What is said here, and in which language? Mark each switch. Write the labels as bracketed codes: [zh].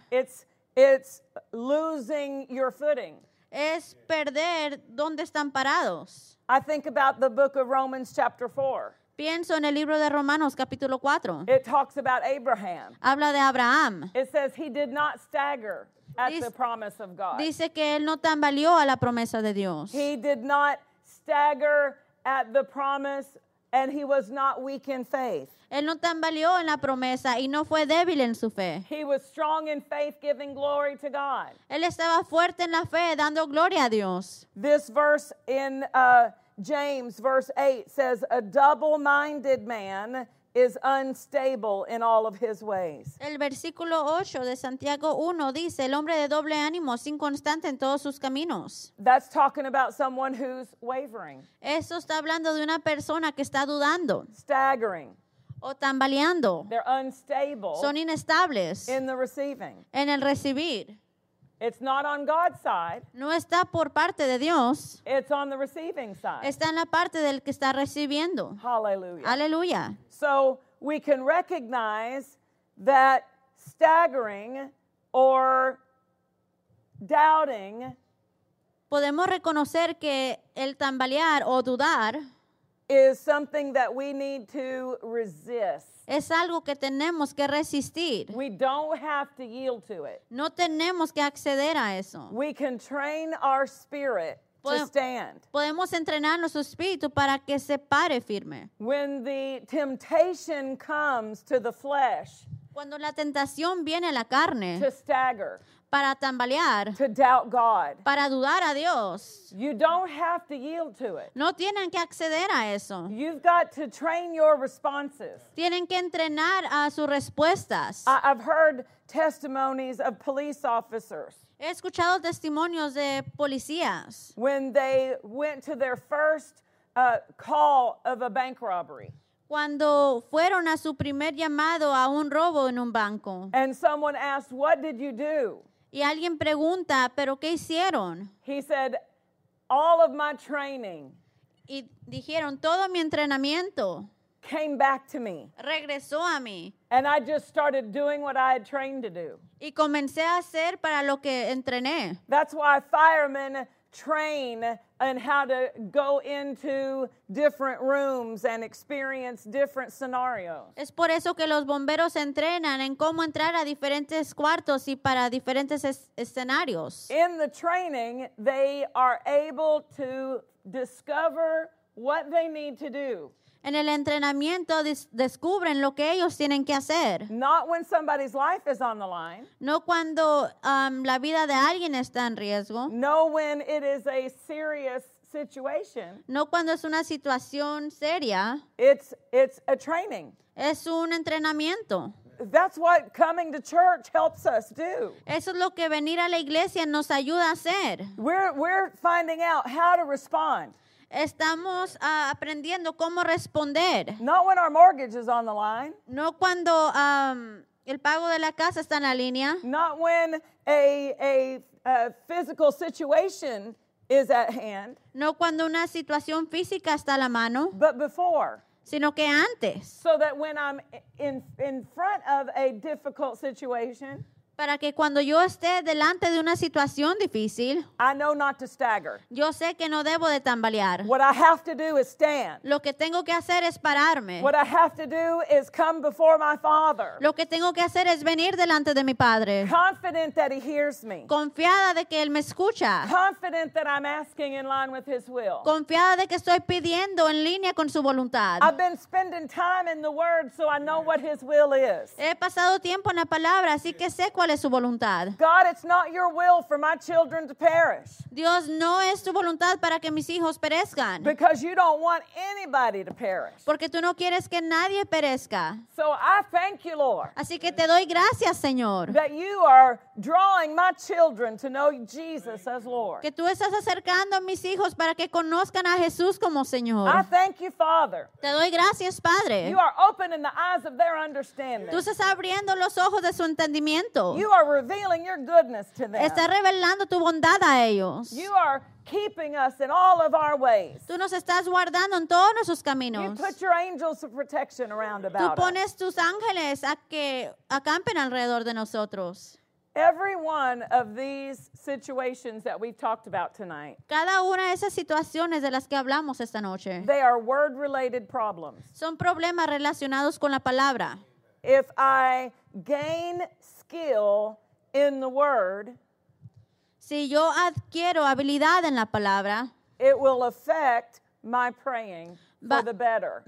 [en] It's losing your footing. [es] Es perder donde están parados. [en] I think about the book of Romans chapter 4. [es] Pienso en el libro de Romanos capítulo 4. [en] It talks about Abraham. [es] Habla de Abraham. [en] It says he did not stagger at the promise of God. [es] Dice que él no tambaleó a la promesa de Dios. [en] He did not stagger at the promise, and he was not weak in faith. [es] Él no tambaleó en la promesa y no fue débil en su fe. [en] He was strong in faith, giving glory to God. [es] Él estaba fuerte en la fe, dando gloria a Dios. [en] This verse in James, verse 8, says, a double-minded man is unstable in all of his ways. [es] El versículo 8 de Santiago 1 dice, el hombre de doble ánimo es inconstante en todos sus caminos. [en] That's talking about someone who's wavering. [es] Eso está hablando de una persona que está dudando. [en] Staggering. [es] O tambaleando. [en] They're unstable. [es] Son inestables. [en] In the receiving. [es] En el recibir. [en] It's not on God's side. [es] No está por parte de Dios. [en] It's on the receiving side. [es] Está en la parte del que está recibiendo. [en] Hallelujah. [es] Hallelujah. [en] So we can recognize that staggering or doubting. [es] Podemos reconocer que el tambalear o dudar [en] is something that we need to resist. [es] Es algo que tenemos que resistir. [en] We don't have to yield to it. [es] No tenemos que acceder a eso. [en] We can train our spirit to stand. [es] Podemos entrenar nuestro espíritu para que se pare firme. [en] When the temptation comes to the flesh, [es] cuando la tentación viene a la carne, [en] to stagger, [es] para tambalear, [en] to doubt God, [es] para dudar a Dios, [en] you don't have to yield to it. [es] No tienen que acceder a eso. [en] You've got to train your responses. [es] Tienen que entrenar a sus respuestas. [en] I've heard testimonies of police officers. [es] He escuchado testimonios de policías. [en] When they went to their first call of a bank robbery. [es] Cuando fueron a su primer llamado a un robo en un banco. [en] And someone asked, what did you do? [es] Y alguien pregunta, ¿pero qué hicieron? [en] He said, all of my training. [es] Y dijeron, todo mi entrenamiento. [en] Came back to me. [es] Regresó a mí. [en] And I just started doing what I had trained to do. [es] Y comencé a hacer para lo que entrené. [en] That's why firemen train on how to go into different rooms and experience different scenarios. [es] Es por eso que los bomberos entrenan en cómo entrar a diferentes cuartos y para diferentes escenarios. [en] In the training, they are able to discover what they need to do. [es] En el entrenamiento descubren lo que ellos tienen que hacer. [en] Not when somebody's life is on the line. [es] No cuando la vida de alguien está en riesgo. [en] No when it is a serious situation. [es] No cuando es una situación seria. [en] It's a training. [es] Es un entrenamiento. [en] That's what coming to church helps us do. [es] Eso es lo que venir a la iglesia nos ayuda a hacer. [en] We're finding out how to respond. [es] Estamos aprendiendo cómo responder. [en] Not when our mortgage is on the line. [es] No cuando el pago de la casa está en la línea. [en] Not when a physical situation is at hand. [es] No cuando una situación física está a la mano. [en] But before. [es] Sino que antes. [en] So that when I'm in front of a difficult situation. [es] Para que cuando yo esté delante de una situación difícil. [en] I know not to stagger. [es] Yo sé que no debo de tambalear. [en] What I have to do is stand. [es] Lo que tengo que hacer es pararme. [en] What I have to do is come before my Father. [es] Lo que tengo que hacer es venir delante de mi Padre. [en] Confident that He hears me. [es] Confiada de que Él me escucha. [en] Confident that I'm asking in line with His will. [es] Confiada de que estoy pidiendo en línea con su voluntad. [en] I've been spending time in the Word so I know what His will is. [es] He pasado tiempo en la palabra, así que sé cuál es su voluntad. [en] God, it's not your will for my children to perish. [es] Dios, no es tu voluntad para que mis hijos perezcan. [en] Because you don't want anybody to perish. [es] Porque tú no quieres que nadie perezca. [en] So I thank you, Lord. [es] Así que te doy gracias, Señor. [en] That you are drawing my children to know Jesus as Lord. [es] Que tú estás acercando a mis hijos para que conozcan a Jesús como Señor. [en] I thank you, Father. [es] Te doy gracias, Padre. [en] You are opening the eyes of their understanding. [es] Tú estás abriendo los ojos de su entendimiento. [en] You are revealing your goodness to them. [es] Está revelando tu bondad a ellos. [en] You are keeping us in all of our ways. [es] Tú nos estás guardando en todos nuestros caminos. [en] You put your angels of protection around about us. [es] Tú pones tus ángeles a que acampen alrededor de nosotros. [en] Every one of these situations that we've talked about tonight. [es] Cada una de esas situaciones de las que hablamos esta noche. [en] They are word-related problems. [es] Son problemas relacionados con la palabra. [en] If I gain skill in the word, [es] si yo adquiero habilidad en la palabra, [en] it will affect my praying for the better.